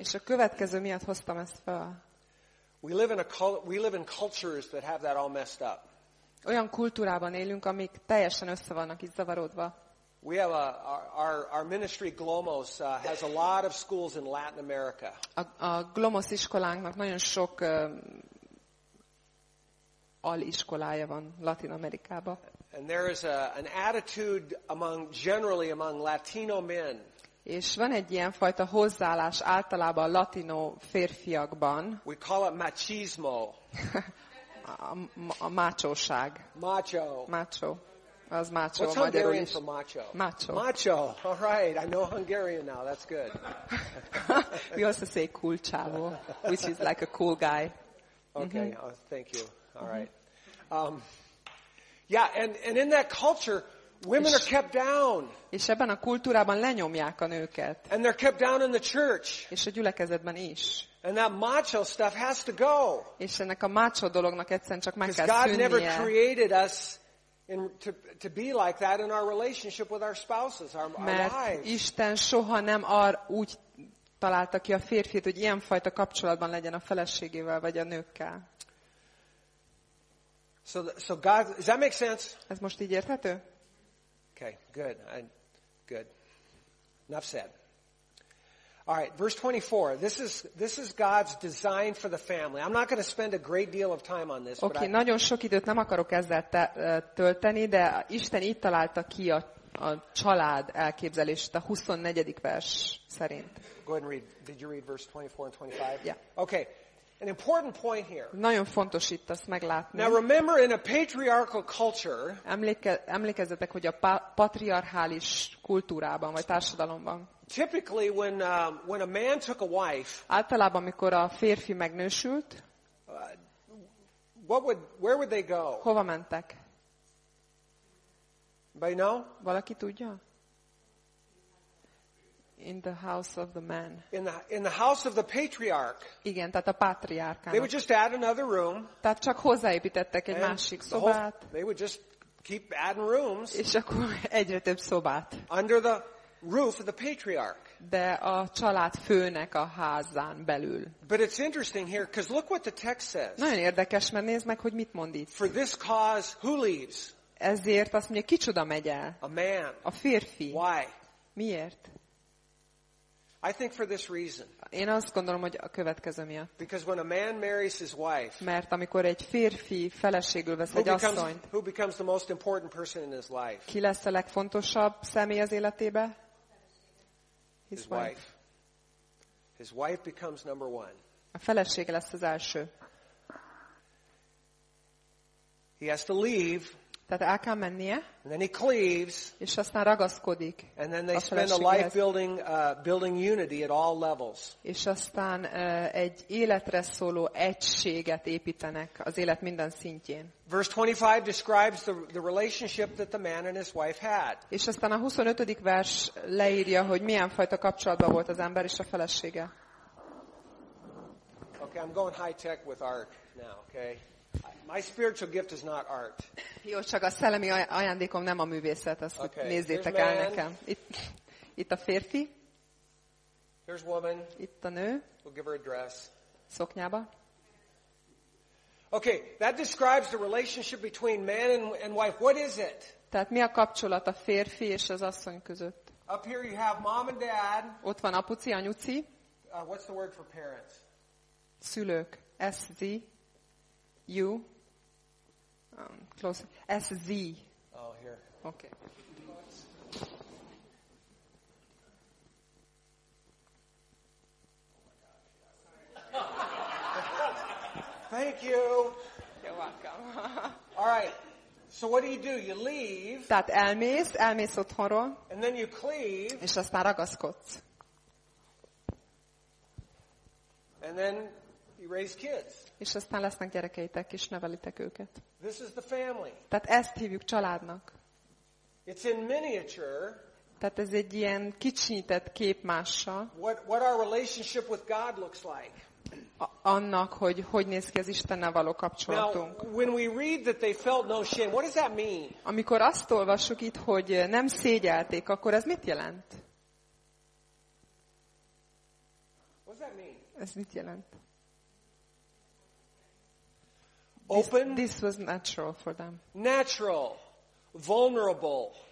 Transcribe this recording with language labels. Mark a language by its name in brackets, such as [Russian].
[Hungarian] És a következő miatt hoztam ezt fel. [English] We live in cultures that have that all messed up. [Hungarian] Olyan kultúrában élünk, amik teljesen össze vannak itt zavarodva. [English] We have our ministry Glomos has a lot of schools in Latin America. [Hungarian] A Glomos iskolánknak nagyon sok aliskolája van Latin Amerikában. [English] And there is an attitude generally among Latino men. [Hungarian] És van egy ilyen fajta hozzáállás általában a latino férfiakban. [English] We call it machismo. [Hungarian] A machóság. Macho. Macho. Az macho, [English] what's Hungarian for macho? Macho. Macho. All right, I know Hungarian now. That's good. We also say cool chavo, which is like a cool guy. Okay. Mm-hmm. Oh, thank you. All mm-hmm. right. Yeah, and in that culture, women are kept down. [Hungarian] És ebben a kultúrában lenyomják a nőket. [English] And they're kept down in the church. [Hungarian] És a gyülekezetben is. [English] And that macho stuff has to go. [Hungarian] És ennek a macho dolognak egyszerűen csak meg kell szűnnie. [English] God never created us to be like that in our relationship with our spouses, our wives. [Hungarian] Mert Isten soha nem úgy találta ki a férfit, hogy ilyen fajta kapcsolatban legyen a feleségével vagy a nőkkel. [English] So God, does that make sense? [Hungarian] Ez most így érthető? [English] Okay, good. Good. Enough said. All right, verse 24. This is God's design for the family. I'm not going to spend a great deal of time on this. [Hungarian] Okay, nagyon sok időt nem akarok ezzel tölteni, de Isten itt találta ki a család elképzelését a 24. vers szerint. [English] Go ahead and read. Did you read verse 24 and 25? Yeah. Okay. An important point here. [Hungarian] Nagyon fontos itt azt meglátni. [English] Now remember, in a patriarchal culture, [Hungarian] emlékezzetek, hogy a patriarchális kultúrában vagy társadalomban. [English] Typically, when a man took a wife, [Hungarian] általában amikor a férfi megnősült, [English] where would they go? [Hungarian] Hova mentek? [English] By now? [Hungarian] Valaki tudja? [English] In the house of the man. In the house of the patriarch. [Hungarian] Igen, tehát a patriárkának. [English] They would just add another room. [Hungarian] Tehát csak hozzáépítettek egy másik szobát. [English] They would just keep adding rooms. [Hungarian] És akkor egyre több szobát. [English] Under the roof of the patriarch. [Hungarian] De a család főnek a házán belül. [English] But it's interesting here, because look what the text says. [Hungarian] Nagyon érdekes, mert nézd meg, hogy mit mond itt. [English] For this cause, who leaves? [Hungarian] Ezért azt mondja, kicsoda megy el? [English] A man. [Hungarian] A férfi. [English] Why? [Hungarian] Miért? [English] I think for this reason. [Hungarian] Én azt gondolom, hogy a következő miatt. [English] Because when a man marries his wife, [Hungarian] mert amikor egy férfi feleségül vesz egy asszonyt, [English] who becomes the most important person in his life? [Hungarian] Ki lesz a legfontosabb személy az életébe? [English] His wife. His wife becomes number one. [Hungarian] A felesége lesz az első. [English] He has to leave. [Hungarian] Tehát el kell mennie, [English] and then he cleaves, [Hungarian] és aztán ragaszkodik. [English] And then they spend a life building unity at all levels. [Hungarian] És aztán egy életre szóló egységet építenek az élet minden szintjén. [English] Verse 25 describes the relationship that the man and his wife had. [Hungarian] És aztán a 25. vers leírja, hogy milyen fajta kapcsolatban volt az ember és a felesége. [English] Okay, I'm going high tech with art now, okay? My spiritual gift is not art. [Hungarian] Jó, csak a szellemi ajándékom nem a művészet, azt okay. Nézzétek el nekem. Itt a férfi. [English] Here's woman. [Hungarian] Itt a nő. [English] We'll give her a dress. [Hungarian] Szoknyába. [English] Okay, that describes the relationship between man and wife. What is it? [Hungarian] Tehát mi a kapcsolat a férfi és az asszony között? [English] Up here you have mom and dad. [Hungarian] Ott van apuci, anyuci. [English] What's the word for parents? [Hungarian] Szülők. SZ. [English] You. Close. [Hungarian] SZ. [English] Oh, here. Okay. Thank you. You're welcome. All right. So what do? You leave. [Hungarian] Tehát elmész otthonról. [English] And then you cleave. [Hungarian] És aztán ragaszkodsz. [English] And then you raise kids. [Hungarian] És aztán lesznek gyerekeitek, és nevelitek őket. [English] This is the family. [Hungarian] Tehát ezt hívjuk családnak. [English] It's in miniature. [Hungarian] Tehát ez egy ilyen kicsinyített képmással. [English] What our relationship with God looks like. [Hungarian] Annak, hogy néz ki az Istennel való kapcsolatunk. [English] Now, when we read that they felt no shame, what does that mean? [Hungarian] Amikor azt olvassuk itt, hogy nem szégyelték, akkor ez mit jelent? [English] What does that mean? [Hungarian] Ez mit jelent? [English] Open. This was natural for them. Natural. Vulnerable.